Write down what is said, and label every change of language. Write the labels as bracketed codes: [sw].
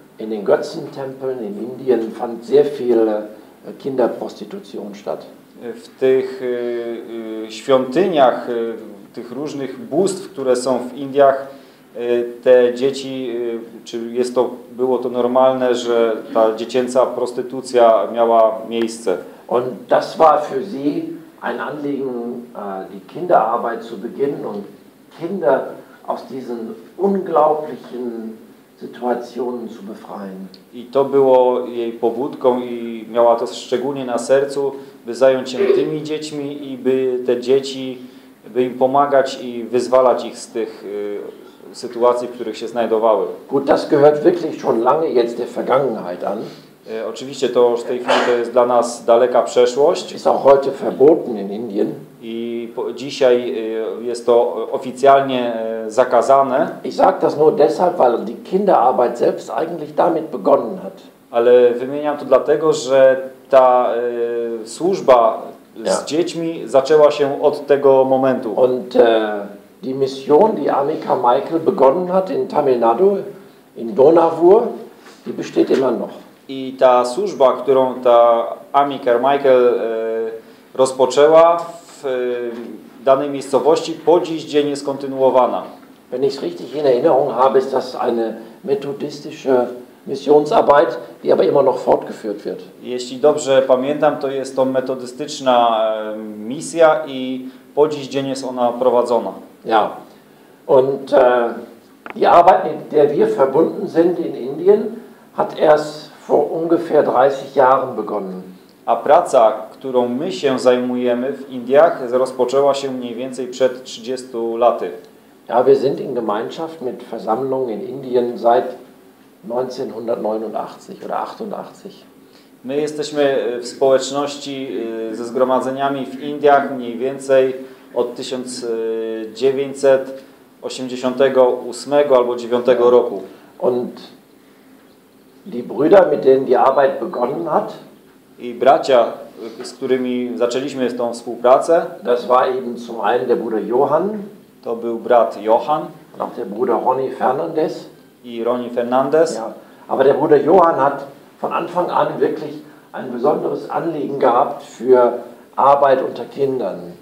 [de] In den Götzentempeln in Indien fand sehr viel Kinderprostitution statt. [pl] W tych świątyniach, tych różnych bóstw, które są w Indiach, te dzieci, czy jest to, było to normalne, że ta dziecięca prostytucja miała miejsce? [de] Und das war für sie ein Anliegen, die Kinderarbeit zu beginnen und Kinder aus diesen unglaublichen Situationen zu befreien. [pl] I to było jej pobudką i miała to szczególnie na sercu, by zająć się tymi dziećmi i by te dzieci, by im pomagać i wyzwalać ich z tych sytuacji, w których się znajdowały. [de] Gut, das gehört wirklich schon lange jetzt der Vergangenheit an. [pl] Oczywiście to już w tej chwili to jest dla nas daleka przeszłość. [de] Ist auch heute verboten in Indien. [pl] I dzisiaj jest to oficjalnie zakazane. [de] Ich sag das nur deshalb, weil die Kinderarbeit selbst eigentlich damit begonnen hat. [pl] Ale wymieniam to dlatego, że ta służba z dziećmi zaczęła się od tego momentu. [de] Und die Mission, die Annika Michael begonnen hat in Tamil Nadu, in Donavur, die besteht immer noch. [pl] I ta służba, którą ta Amy Carmichael rozpoczęła w danej miejscowości, po dziś dzień jest kontynuowana. [de] Wenn ich es richtig in Erinnerung habe, ist das eine methodistische Missionsarbeit, die aber immer noch fortgeführt wird. [pl] Jeśli dobrze pamiętam, to jest to metodystyczna misja i po dziś dzień jest ona prowadzona. [de] Ja. Und die Arbeit, mit der wir verbunden sind in Indien, hat erst vor ungefähr 30 Jahren begonnen. [pl] A praca, którą my się zajmujemy w Indiach, rozpoczęła się mniej więcej przed 30 laty. [de] Ja, wir sind in Gemeinschaft mit Versammlungen in Indien seit 1989 oder 88. [pl] My jesteśmy w społeczności ze zgromadzeniami w Indiach mniej więcej od 1988 albo 9 roku. [de] Und die Brüder, mit denen die Arbeit begonnen hat. [pl] I bracia, z którymi zaczęliśmy tą współpracę. [de] Das war eben zum einen der Bruder Johann. [pl] To był brat Johann. [de] Und auch der Bruder Ronnie Fernandez. [pl] I Ronnie Fernandez. [de] Ja. Aber der Bruder Johann hat von Anfang an wirklich ein besonderes Anliegen gehabt für Arbeit unter Kindern.